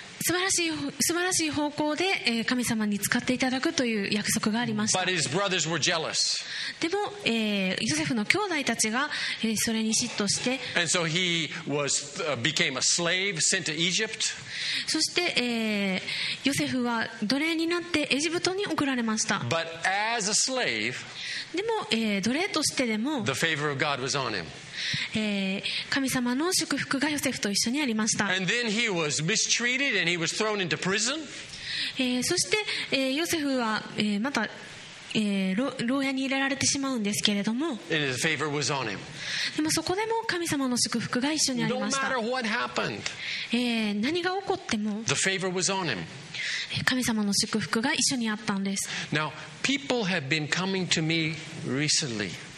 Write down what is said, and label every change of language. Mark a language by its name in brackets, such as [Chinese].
[Japanese] 素晴らしい方向で神様に使っていただくという約束がありました。 [English] But his brothers were jealous. [Japanese] でも、ヨセフの兄弟たちが、それに嫉妬して、 [English] And so he was, became a slave sent to Egypt. [Japanese] そして、ヨセフは奴隷になってエジプトに送られました。 [English] But as a slave, [Japanese] でも、奴隷としてでも、 [English] the favor of God was on him. [Japanese] 神様の祝福がヨセフと一緒にありました。 [English] And then he was mistreated and he was thrown into prison. [Japanese] そして、ヨセフは、また、牢屋に入れられてしまうんですけれども、 [English] And his favor was on him. [Japanese] でもそこでも神様の祝福が一緒にありました。 [English] No matter what happened, [Japanese] 何が起こっても [English] the favor was on him. [Japanese] 神様の祝福が一緒にあったんです。 [English] Now people have been coming to me recently.